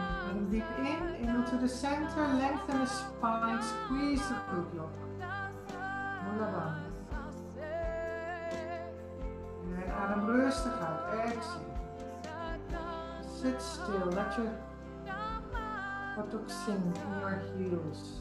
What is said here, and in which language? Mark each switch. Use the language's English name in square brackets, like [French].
[Dutch] En diep in, [English] into the center, lengthen the spine, squeeze the glute lock. [German] Wunderbar. [Dutch] En adem rustig uit, exhale. [English] Sit still, let your buttock sink in your heels.